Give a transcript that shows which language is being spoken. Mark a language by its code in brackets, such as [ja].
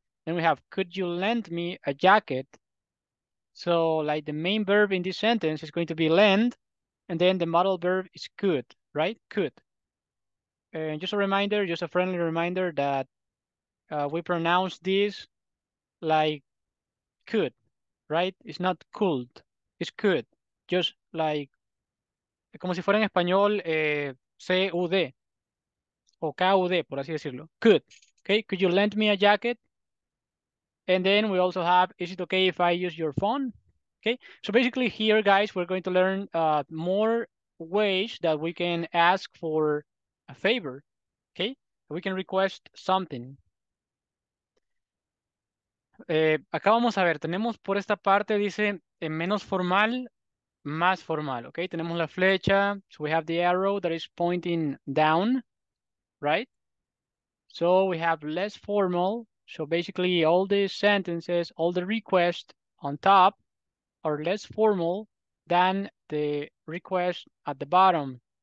[en] Then we have, could you lend me a jacket? So like the main verb in this sentence is going to be lend, and then the modal verb is could, right? Could. And just a reminder, just a friendly reminder that we pronounce this like could, right? It's not could, it's could. Just like, [es] como si fuera en español, C-U-D, o K-U-D, por así decirlo. [en] Could, okay? Could you lend me a jacket? And then we also have, is it okay if I use your phone? Okay, so basically here, guys, we're going to learn more ways that we can ask for a favor, okay? We can request something. [es] Acá vamos a ver, tenemos por esta parte, dice, menos formal, más formal, okay? Tenemos la flecha, [en] so we have the arrow that is pointing down, right? So we have less formal. So basically all these sentences, all the requests on top are less formal than the request at the bottom.